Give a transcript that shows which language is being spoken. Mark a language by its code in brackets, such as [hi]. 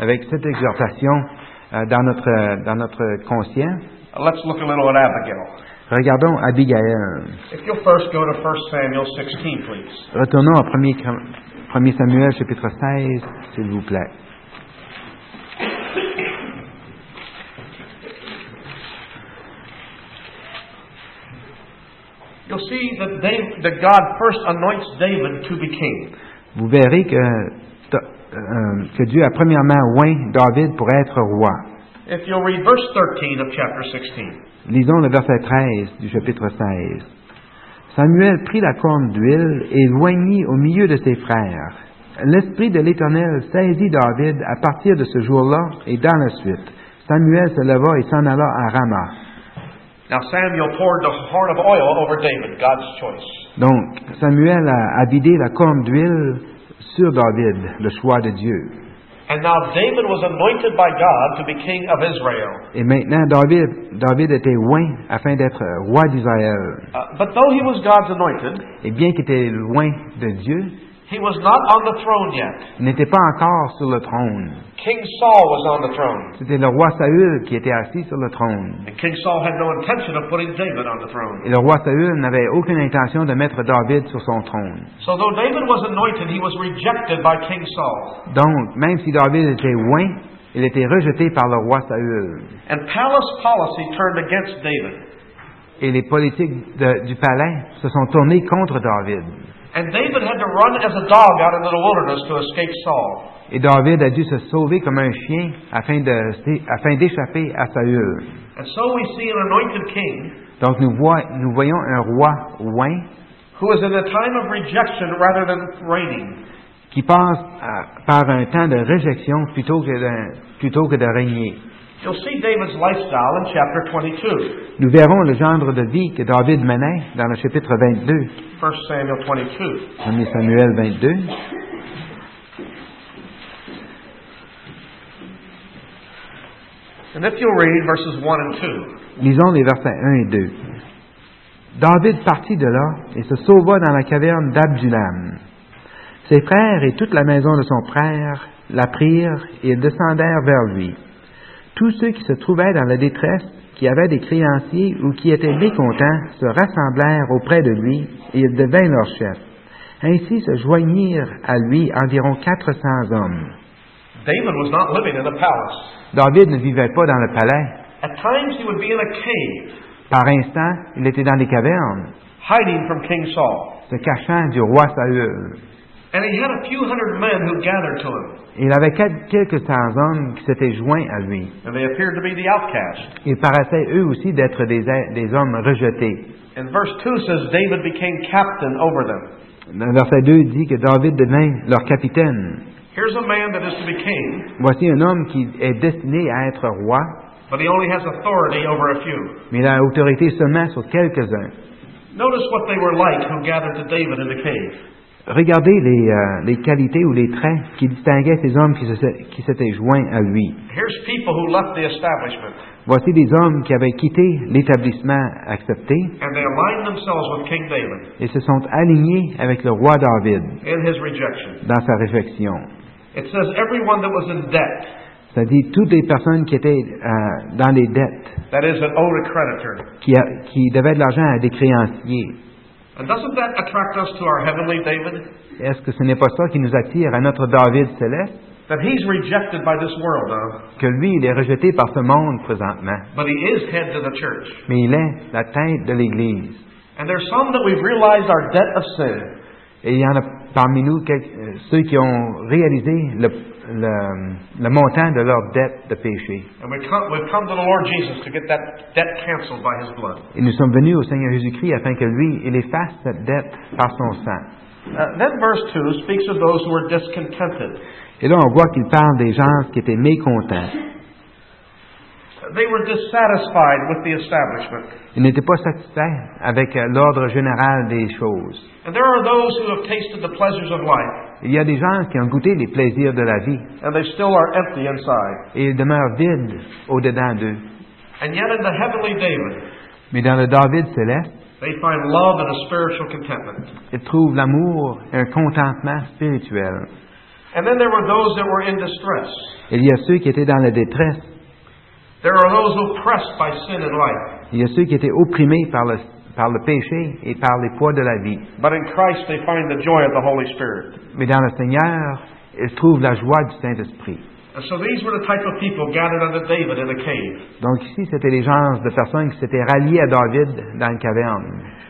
[fr] avec cette exhortation dans notre conscient, [en] let's look a little at Abigail. [fr] Regardons Abigail. [en] If you'll first go to 1 Samuel 16, please. [fr] Retournons à 1 Samuel, chapitre 16, s'il vous plaît. [en] You'll see that that God first anoints David to be king. [fr] Vous verrez que Dieu a premièrement oint David pour être roi. [en] If you'll read verse 13 of chapter 16. [fr] Lisons le verset 13 du chapitre 16. Samuel prit la corne d'huile et l'oignit au milieu de ses frères. L'Esprit de l'Éternel saisit David à partir de ce jour-là et dans la suite. Samuel se leva et s'en alla à Ramah. [en] Now Samuel poured the horn of oil over David, God's choice. [fr] Donc, Samuel a vidé la corne d'huile sur David, le choix de Dieu. [en] And now David was anointed by God to be king of Israel. [fr] Et maintenant David était oint afin d'être roi d'Israël. [en] But though he was God's anointed, [fr] et bien qu'il était oint de Dieu, [en] he was not on the throne yet. [fr] Il n'était pas encore sur le trône. [en] King Saul was on the throne. [fr] C'était le roi Saül qui était assis sur le trône. [en] And King Saul had no intention of putting David on the throne. [fr] Et le roi Saül n'avait aucune intention de mettre David sur son trône. [en] So though David was anointed, he was rejected by King Saul. [fr] Donc, même si David était oint, il était rejeté par le roi Saül. [en] And palace policy turned against David. [fr] Et les politiques du palais se sont tournées contre David. [en] And David had to run as a dog out into the wilderness to escape Saul. [fr] Et David a dû se sauver comme un chien afin d'échapper à Saül. [en] And so we see an anointed king. [fr] Donc nous voyons un roi oint. [en] Who is in a time of rejection rather than reigning. [fr] Qui passe par un temps de rejection plutôt que de régner. [en] You'll see David's lifestyle in chapter 22. [fr] Nous verrons le genre de vie que David menait dans le chapitre 22. [en] 1 Samuel 22. [fr] 1 Samuel 22. [en] And if you'll read verses 1 and 2. [fr] Lisons les versets 1 et 2. David partit de là et se sauva dans la caverne d'Abdulam. Ses frères et toute la maison de son père la prirent et ils descendèrent vers lui. Tous ceux qui se trouvaient dans la détresse, qui avaient des créanciers ou qui étaient mécontents, se rassemblèrent auprès de lui et il devint leur chef. Ainsi se joignirent à lui environ 400 hommes. [en] David, was not living in a palace. [fr] David ne vivait pas dans le palais. [en] At times he would be in a cave. [fr] Par instant, il était dans les cavernes, [en] hiding from King Saul. [fr] Se cachant du roi Saül. [en] And he had a few hundred men who gathered to him. [fr] Il avait quelques cents hommes qui s'étaient joints à lui. [en] And they appeared to be the outcasts. [fr] Ils paraissaient eux aussi d'être des hommes rejetés. [en] And verse 2 says David became captain over them. [fr] Verset 2 dit que David devint leur capitaine. [en] Here's a man that is to be king. [fr] Voici un homme qui est destiné à être roi. [en] But he only has authority over a few. [fr] Mais il a autorité seulement sur quelques-uns. [en] Notice what they were like who gathered to David in the cave. [fr] Regardez les qualités ou les traits qui distinguaient ces hommes qui s'étaient joints à lui. [en] Here's people who left the establishment. [fr] Voici des hommes qui avaient quitté l'établissement accepté. [en] And they aligned themselves with King David. [fr] Et se sont alignés avec le roi David. [en] In his rejection. [fr] Dans sa réjection. [en] It says everyone that was in debt. [fr] C'est-à-dire toutes les personnes qui étaient dans les dettes. [en] That is an owed a creditor. [fr] Qui devaient de l'argent à des créanciers. [en] And doesn't that attract us to our heavenly David? [fr] Est-ce que ce n'est pas ça qui nous attire à notre David céleste? [en] That he's rejected by this world, though. [fr] Que lui, il est rejeté par ce monde présentement. [en] But he is head to the church. [fr] Mais il est la tête de l'Église. [en] And there are some that we've realized our debt of sin. [fr] Et il y en a parmi nous ceux qui ont réalisé le montant de leur dette de péché. [en] And we've come to the Lord Jesus to get that debt canceled by His blood. [fr] Et nous sommes venus au Seigneur Jésus-Christ afin que lui, il efface cette dette par son sang. [en] Then verse 2 speaks of those who were discontented. [fr] Et là, on voit qu'il parle des gens qui étaient mécontents. [en] They were dissatisfied with the establishment. [fr] Ils n'étaient pas satisfaits avec l'ordre général des choses. [en] And there are those who have tasted the pleasures of life. [fr] Il y a des gens qui ont goûté les plaisirs de la vie. [en] And they still are empty inside. [fr] Et ils demeurent vides au-dedans d'eux. [en] And yet in the heavenly David, [fr] mais dans le David céleste, [en] they find love and a spiritual contentment. [fr] Ils trouvent l'amour et un contentement spirituel. [en] And then there were those that were in distress. [fr] Il y a ceux qui étaient dans la détresse. [en] There are those oppressed by sin and life. [fr] Il y a ceux qui étaient opprimés par le péché et par les poids de la vie. [en] But in Christ they find the joy of the Holy Spirit. [fr] Mais dans le Seigneur, ils trouvent la joie du Saint-Esprit. [en] And so these were the type of people gathered under David in a cave. [fr] Donc ici, c'était les gens de personnes qui s'étaient ralliés à David dans une caverne.